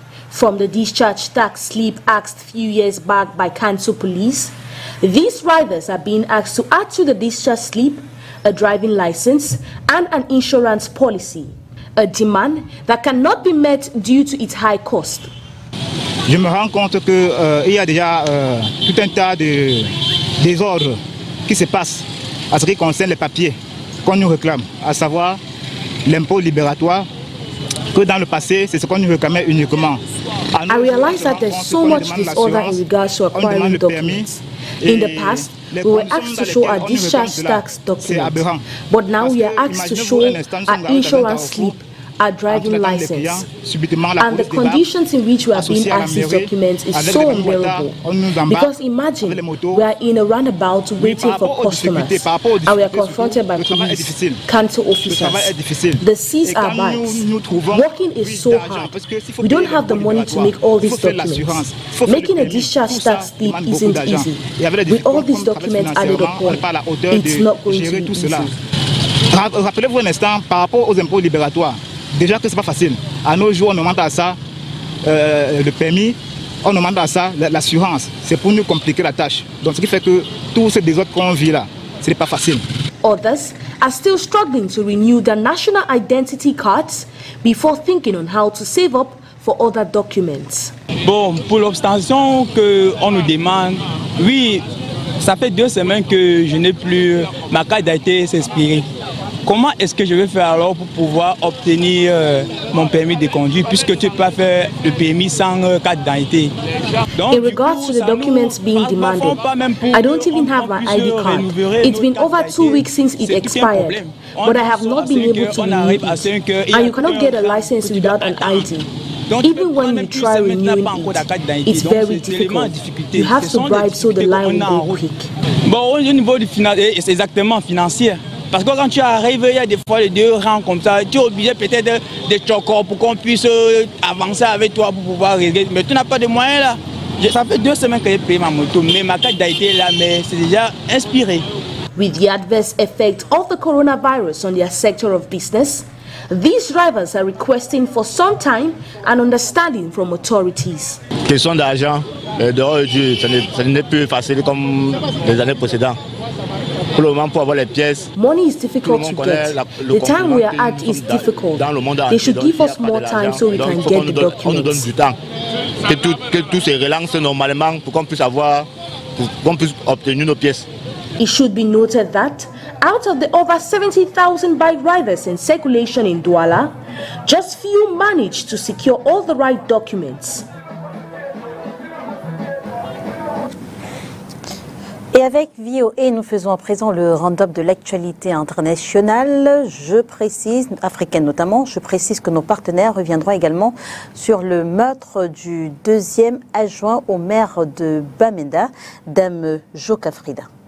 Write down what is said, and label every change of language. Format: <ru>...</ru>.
<en>From the discharge tax slip asked a few years back by Kansu police, these riders are being asked to add to the discharge slip a driving license and an insurance policy, a demand that cannot be met due to its high cost.</en> <fr>Je me rends compte que il y a déjà tout un tas de désordres qui se passent à ce qui concerne les papiers qu'on nous réclame, à savoir l'impôt libératoire, que dans le passé, c'est ce qu'on nous réclamait uniquement.</fr> <en>I realize that there's so much disorder in regards to acquiring documents. In the past, we were asked to show our discharge tax documents, but now we are asked to show our insurance slip, our driving license, and the conditions in which we are being asked these documents is so unbearable. Because imagine, we are in a roundabout waiting for customers, and we are confronted by police, council officers. They seize our bikes. Working is so hard. We don't have the money to make all these documents. Making a discharge tax slip isn't easy. With all these documents added upon, it's not going to be easy.</en> <fr>Rappelez-vous un instant par rapport aux impôts libératoires. Déjà que ce n'est pas facile. À nos jours, on demande à ça le permis, on demande à ça l'assurance. C'est pour nous compliquer la tâche. Donc ce qui fait que tout ce désordre qu'on vit là, ce n'est pas facile.</fr> <en>Others are still struggling to renew their national identity cards before thinking on how to save up for other documents.</en> <fr>Bon, pour l'obtention qu'on nous demande, oui, ça fait 2 semaines que je n'ai plus ma carte d'identité expirée. Comment est-ce que je vais faire alors pour pouvoir obtenir mon permis de conduire puisque tu ne peux pas faire le permis sans carte d'identité?</fr> <en>In regards to the documents being demanded, I don't even have my ID card. It's been over 2 weeks since it expired, but I have not been able to renew it. And you cannot get a license without an ID. Even when you try renewing it, it's very difficult. You have to bribe so the line will go quick.</en> <fr>Bon, au niveau du financier, c'est exactement financier. Parce que quand tu arrives, il y a des fois les deux rangs comme ça, tu es obligé peut-être de choquer pour qu'on puisse avancer avec toi pour pouvoir régler. Mais tu n'as pas de moyens là. Ça fait 2 semaines que j'ai pris ma moto, mais ma carte d'identité est là, mais c'est déjà inspiré.</fr> <en>With the adverse effect of the coronavirus on their sector of business, these drivers are requesting for some time and understanding from authorities.</en> <fr>Question d'argent, dehors du jeu, ce n'est plus facile comme les années précédentes. Pour le moment, pour avoir les pièces,</fr> <en>money is difficult to get. The time we are at is difficult. They should give us more time so we can get the documents.</en> <fr>On nous donne du temps. Que tout se relance normalement pour qu'on puisse avoir, pour qu'on puisse obtenir nos pièces.</fr> <en>It should be noted that out of the over 70,000 bike riders in circulation in Douala, just few managed to secure all the right documents.</en> <fr>Et avec VOA, nous faisons à présent le round-up de l'actualité internationale. Je précise, africaine notamment, je précise que nos partenaires reviendront également sur le meurtre du deuxième adjoint au maire de Bamenda, Dame Jokafrida.</fr>